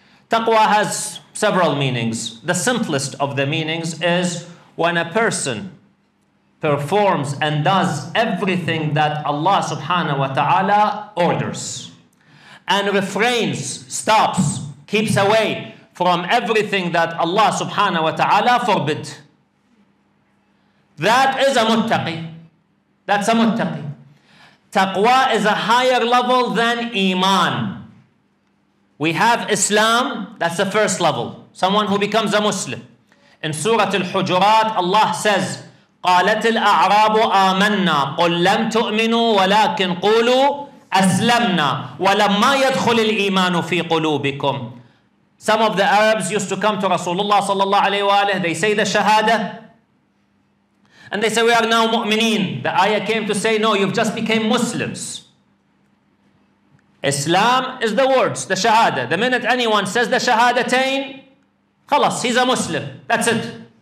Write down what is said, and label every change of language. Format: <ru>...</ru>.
<en>Taqwa has several meanings. The simplest of the meanings is when a person performs and does everything that Allah subhanahu wa ta'ala orders and refrains, stops, keeps away from everything that Allah subhanahu wa ta'ala forbid. That is a muttaqi. That's a muttaqi. Taqwa is a higher level than iman. We have Islam, that's the first level. Someone who becomes a Muslim. In Surah Al-Hujurat, Allah says,</en> <ar>قَالَتِ الْأَعْرَابُ آمَنَّا قُلْ لَمْ تُؤْمِنُوا وَلَكِنْ قُولُوا أَسْلَمْنَا وَلَمَّا يَدْخُلِ الْإِيمَانُ فِي قُلُوبِكُمْ.</ar> <en>Some of the Arabs used to come to Rasulullah sallallahu alayhi wa alayhi, they say the shahada, and they say, we are now mu'mineen. The ayah came to say, no, you've just became Muslims. Islam is the words, the shahada. The minute anyone says the shahadatain, khalas, he's a Muslim. That's it.</en>